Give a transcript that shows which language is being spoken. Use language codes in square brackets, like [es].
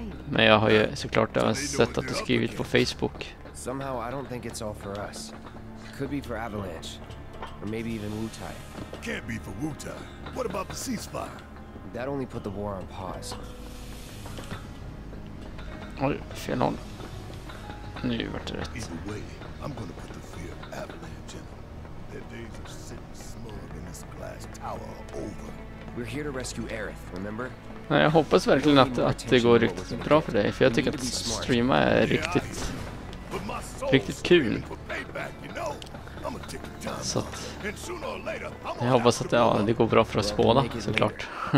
[sv] Men jag har ju såklart även sett att du skrivit på Facebook. [en] Somehow I don't think it's all for us. Could be for Avalanche. Or maybe even Wutai. Can't be for Wutai. What about the ceasefire? That only put the war on pause. [sv] Oj, fel håll. Nu vart det rätt. [en] Either way, I'm gonna put the fear of Avalanche in. Their days of sitting smug in this glass tower are over. We're here to rescue Aerith, remember? [sv] Nej, jag hoppas verkligen att det går riktigt bra för dig. För jag tycker att streama är riktigt kul. [en] Payback, you know? [sv] Så att, jag hoppas att ja, det går bra för oss båda, såklart.